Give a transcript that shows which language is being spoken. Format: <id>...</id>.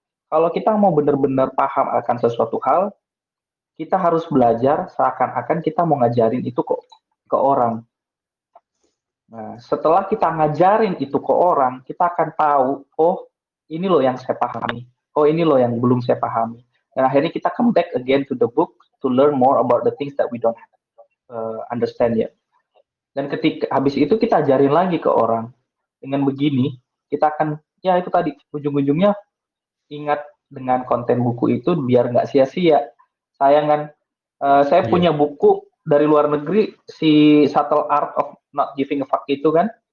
<id>Kalau kita mau benar-benar paham akan sesuatu hal, kita harus belajar seakan-akan kita mau ngajarin itu ke orang. Nah, setelah kita ngajarin itu ke orang, kita akan tahu, oh ini loh yang saya pahami, oh ini loh yang belum saya pahami. Dan akhirnya kita</id> <en>come back again to the book to learn more about the things that we don't understand yet.</en> <id>Dan ketika habis itu kita ajarin lagi ke orang. Dengan begini, kita akan, ya itu tadi, ujung-ujungnya ingat dengan konten buku itu biar nggak sia-sia. Sayang kan, saya punya buku dari luar negeri, si Subtle Art of Not Giving a Fuck itu kan.</id>